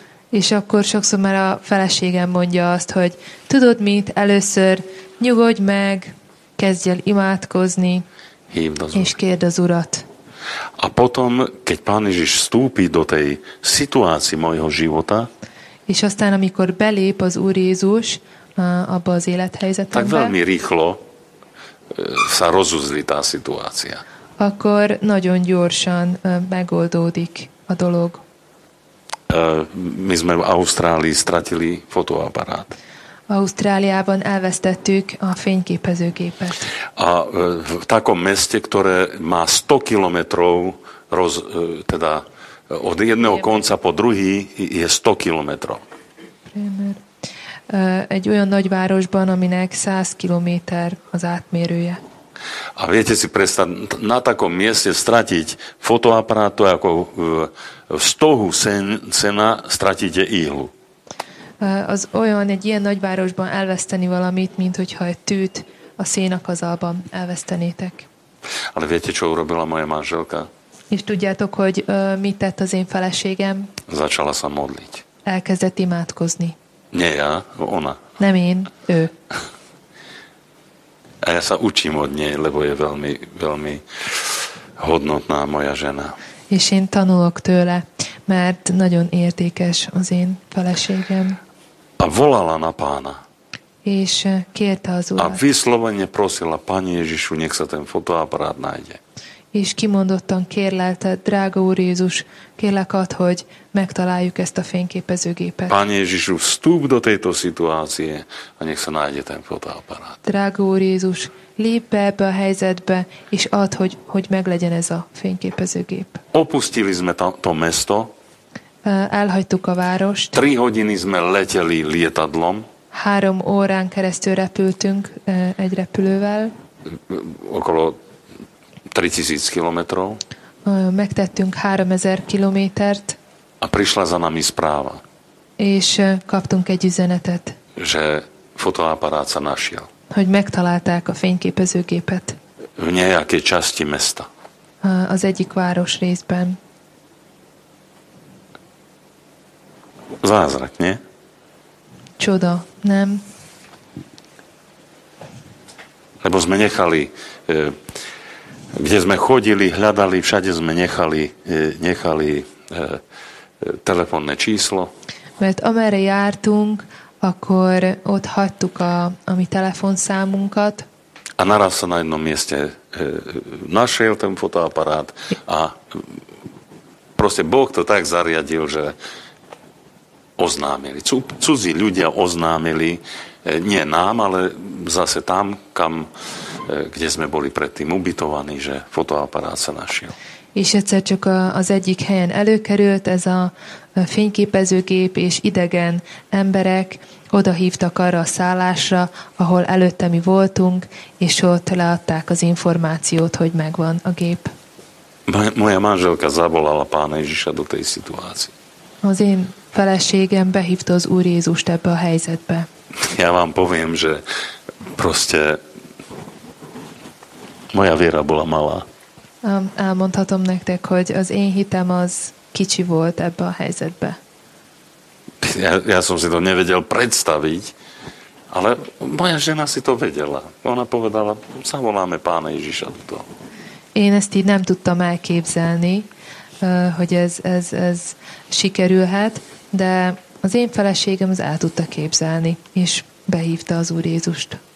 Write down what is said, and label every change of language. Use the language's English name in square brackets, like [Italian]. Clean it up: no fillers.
[Hungarian] És akkor sokszor már a feleségem mondja azt, hogy tudod mit, először nyugodj meg, kezdj el imádkozni, és kérd az Urat. [Slovak] A potom, keď Pán Ježiš vstúpi do tej situácii mojho života, [Hungarian] és aztán, amikor belép az Úr Jézus abba az élethelyzetembe, [Slovak] tak veľmi rýchlo sa rozuzli tá situácia. [Hungarian] Akkor nagyon gyorsan megoldódik a dolog. [Slovak] my sme v Ausztrálii stratili fotoaparát. [Hungarian] Ausztráliában elvesztettük a fényképezőgépet. [Slovak] A v takom meste, ktoré má 100 kilometrov, teda od jedného konca po druhý je 100 kilometrov. Primer. [Hungarian] Egy olyan nagyvárosban, aminek 100 kilométer az átmérője. [Slovak] A viete si prestať na takom mieste stratiť fotoaparát, to je ako v stohu sena stratíte ihlu. [Hungarian] Az olyan egy ilyen nagyvárosban elveszteni valamit, mint hogyha egy tűt a szénakazalban elvesztenétek. [Slovak] Ale viete, čo urobila moja manželka? [Hungarian] És tudjátok, hogy mit tett az én feleségem? [Slovak] Začala sa modliť. [Hungarian] Elkezdett imádkozni. [Slovak] Nie ja, ona. [Hungarian] Nem én, ő. [Slovak] A ja sa učím od nej, lebo je veľmi, veľmi hodnotná moja žena. [Hungarian] És én tanulok tőle, mert nagyon értékes az én feleségem. [Slovak] A volala na pána. [Hungarian] És kérte az urat. [Slovak] A vyslovene prosila, Pane Ježišu, nech sa ten fotoaparát nájde. [Hungarian] És kimondottan kérlelte, drága Úr Jézus, kérlek ad, hogy megtaláljuk ezt a fényképezőgépet. [Slovak] Pane Ježišu, vstup do tejto situácie a nech sa nájde ten fotoaparát. [Hungarian] Drága Úr Jézus, lép be ebbe a helyzetbe, és ad, hogy meglegyen ez a fényképezőgép. [Slovak] Opustili sme to mesto. [Hungarian] Elhagytuk a várost. [Slovak] 3 hodiny sme leteli lietadlom. [Hungarian] 3 órán keresztül repültünk egy repülővel. [Slovak] Okolo 3000 kilométrov. [Hungarian] Megtettünk 3000 kilométert. [Slovak] A prišla za nami správa. [Hungarian] És kaptunk egy üzenetet. [Slovak] Že fotoaparát sa našiel. [Hungarian] Hogy megtalálták a fényképezőgépet. [Slovak] V nejakej časti mesta. [Hungarian] Az egyik város részben. [Slovak] Zázrak, nie? [Hungarian] Csoda, nem? [Slovak] Lebo sme nechali... Kde sme chodili, hľadali, všade sme nechali telefónne číslo. [Hungarian] Mert amerre jártunk, akkor ott hagytuk a mi telefonszámunkat. [Slovak] A naraz sa na jednom mieste našiel ten fotoaparát a proste Boh to tak zariadil, že oznámili. Cudzí ľudia oznámili, nie nám, ale zase tam, kam... kde sme boli predtým ubytovaní, že fotoaparát sa našiel. [Hungarian] És egyszer csak az egyik helyen előkerült ez a fényképezőgép, és idegen emberek oda hívtak arra a szállásra, ahol előtte mi voltunk, és ott leadták az információt, hogy megvan a gép. [Slovak] Moja manželka zavolala pána Ježiša do tej situácii. [Hungarian] Az én feleségem behívta az Úr Jézust ebbe a helyzetbe. [Slovak] Ja vám poviem, že proste moja viera bola malá. [Hungarian] Elmondhatom nektek, hogy az én hitem az kicsi volt ebbe a helyzetbe. [Slovak] Ja som si to nevedel predstaviť, ale moja žena si to vedela. Ona povedala, zavoláme pána Ježiša do toho. [Hungarian] Én ezt így nem tudtam elképzelni, hogy ez sikerülhet, de az én feleségem az el tudta képzelni, és behívta az Úr Jézust.